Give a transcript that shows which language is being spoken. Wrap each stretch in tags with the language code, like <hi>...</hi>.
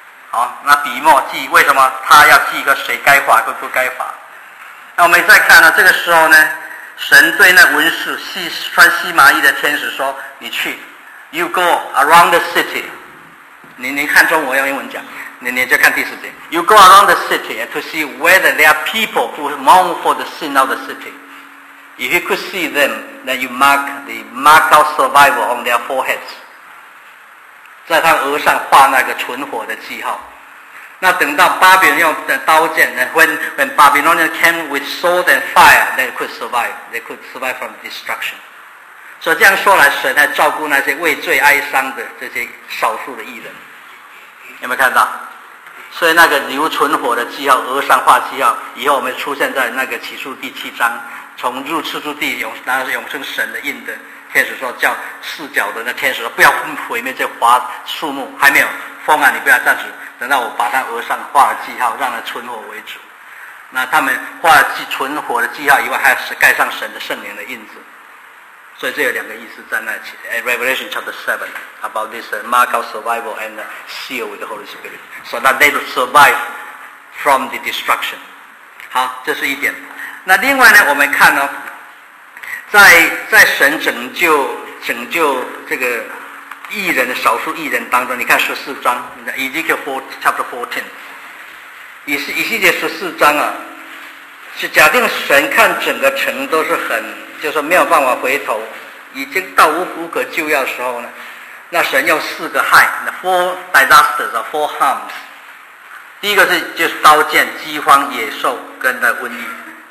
<zh>好，那笔墨记为什么他要记一个谁该罚跟不该罚？那我们再看呢，这个时候呢。神对那文士穿西麻衣的天使说：“你去 ，</zh> <en>You go around the city。</en> <zh>你看中文，我用英文讲，你就看第四节。</zh> <en>You go around the city to see whether there are people who mourn for the sin of the city. If you could see them, then you mark the mark of survival on their foreheads，</en> <zh>在他额上画那个存活的记号。那等到巴比伦用的刀剑呢</zh> <en>？When Babylonian came with sword and fire, they could survive from destruction。</en> <zh>所以这样说来，神还照顾那些畏罪哀伤的这些少数的义人，有没有看到？所以那个留存活的记号，额上画记号，以后我们出现在那个启示第七章，从入赤柱地永那是永生神的印的天使说，叫四角的那天使说，不要毁灭这华树木，还没有风啊，你不要暂时。等到我把他额上画了记号，让他存活为主。那他们画了存活的记号以外，还是盖上神的圣灵的印子。所以这有两个意思在那起。</zh> <en>Revelation chapter 7 about this mark of survival and seal with the Holy Spirit, so that they will survive from the destruction.</en> <zh>好，这是一点。那另外呢，我们看哦，在神拯救这个。异人的少数异人当中，你看十四章</zh> <en>Ezekiel chapter 14，</en> <zh>以西结十四章啊，是假定神看整个城都是很，就是没有办法回头，已经到无可救药的时候呢，那神用四个害</zh> <en>four disasters or four harms，</en> <zh>第一个是就是刀剑、饥荒、野兽跟那瘟疫。</zh>